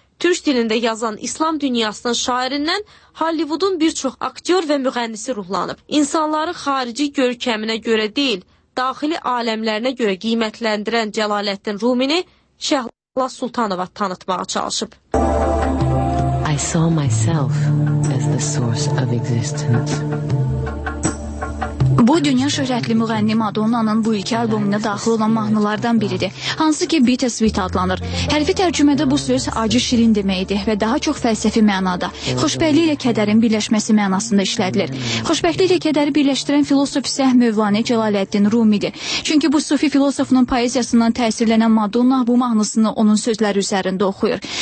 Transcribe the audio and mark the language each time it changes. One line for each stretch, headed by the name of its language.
Azerbaijani: Türk dilində yazan İslam dünyasının şairindən Hollywoodun bir çox aktyor və müğənnisi ruhlanıb. İnsanları xarici görkəminə görə deyil, daxili aləmlərinə görə qiymətləndirən Cəlaləddin Rumini Şəhla Sultanova tanıtmağa çalışıb.
English: I saw myself as the source of existence.
Azerbaijani: Bu, dünya şöhrətli müğənni Madonna'nın bu ilki albumuna daxil olan mahnılardan biridir, hansı ki Bittersweet adlanır. Hərfi tərcümədə bu söz acı şirin deməkdir və daha çox fəlsəfi mənada, xoşbəkliklə kədərin birləşməsi mənasında işlədilir. Xoşbəkliklə kədəri birləşdirən filosof isə Mövlana Cəlaləddin Rumidir. Çünki bu sufi filosofunun poeziyasından təsirlənən Madonna bu mahnısını onun sözləri üzərində oxuyur.